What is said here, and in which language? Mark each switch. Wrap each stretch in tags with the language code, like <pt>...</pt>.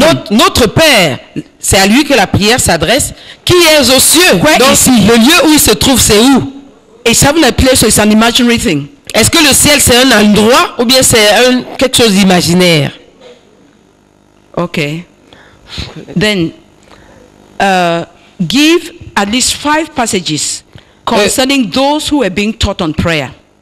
<fr>Notre Père, c'est à lui que la prière s'adresse. Qui est aux cieux? Donc le lieu où il se trouve, c'est où?</fr> <en>It's heaven a place or it's an imaginary thing?</en> <fr>Est-ce que le ciel c'est un endroit ou bien c'est quelque chose d'imaginaire?</fr> <en>Okay. Then give at least 5 passages concerning those who are being taught on prayer.</en>